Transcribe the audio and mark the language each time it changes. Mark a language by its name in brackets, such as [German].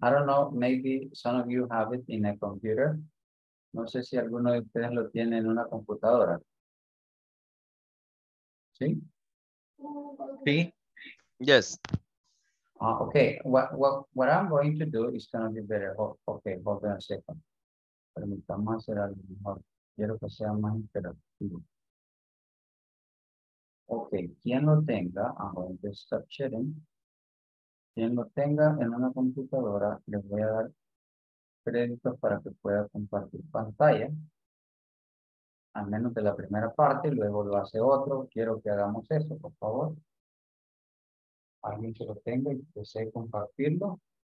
[English] I don't know, maybe some of you have it in a computer. [Spanish] No sé si alguno de ustedes lo tiene en una computadora. ¿Sí? Sí. Yes. [English] Okay, what I'm going to do is going to be better. Oh, okay, hold on a second. [Spanish] Permítame hacer algo mejor. Quiero que sea más interactivo. [English] Okay, [Spanish] quien lo tenga, [English] I'm going to stop sharing. [Spanish] Quien lo tenga en una computadora, les voy a dar créditos para que pueda compartir pantalla. Al menos de la primera parte, luego lo hace otro. Quiero que hagamos eso, por favor. Alguien que lo tenga y desee compartirlo.